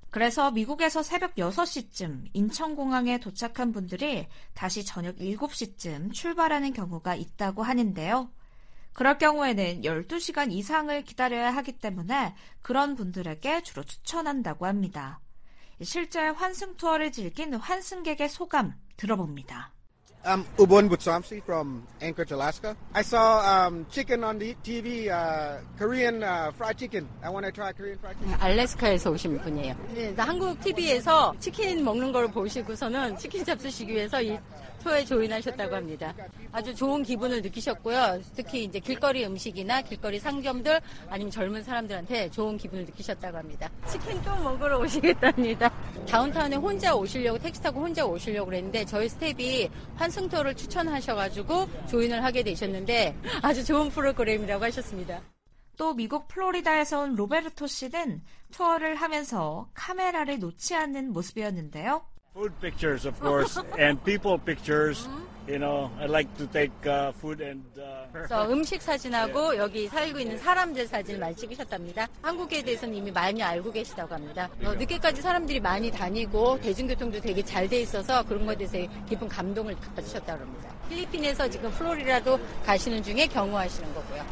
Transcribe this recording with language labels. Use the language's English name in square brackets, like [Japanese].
[Korean] 그래서 미국에서 새벽 6시쯤 인천공항에 도착한 분들이 다시 저녁 7시쯤 출발하는 경우가 있다고 하는데요. 그럴 경우에는 12시간 이상을 기다려야 하기 때문에 그런 분들에게 주로 추천한다고 합니다. 실제 환승 투어를 즐긴 환승객의 소감 들어봅니다. [English] I'm Ubon Butsamsi from Anchorage, Alaska. I saw chicken on the TV, Korean fried chicken. I want to try Korean fried chicken. [Korean] 알래스카에서 오신 분이에요. 네, 한국 TV에서 치킨 먹는 걸 보시고서는 치킨 잡수시기 위해서 이 투어에 조인하셨다고 합니다. 아주 좋은 기분을 느끼셨고요. 특히 이제 길거리 음식이나 길거리 상점들 아니면 젊은 사람들한테 좋은 기분을 느끼셨다고 합니다. 치킨 또 먹으러 오시겠답니다. 다운타운에 혼자 오시려고 택시 타고 혼자 오시려고 그랬는데 저희 스텝이 환승투어를 추천하셔가지고 조인을 하게 되셨는데 아주 좋은 프로그램이라고 하셨습니다. 또 미국 플로리다에서 온 로베르토 씨는 투어를 하면서 카메라를 놓지 않는 모습이었는데요. [English] Food pictures, of course, and people pictures. You know, I like to take food and. [Korean] 그래서 음식 사진하고 yeah. 여기 살고 있는 사람들 사진 yeah. 많이 찍으셨답니다. 한국에 대해서는 이미 많이 알고 계시다고 합니다. 늦게까지 사람들이 많이 다니고 대중교통도 되게 잘 돼 있어서 그런 것에 대해서 깊은 감동을 받으셨다고 합니다. 필리핀에서 지금 플로리다도 가시는 중에 경호하시는 거고요.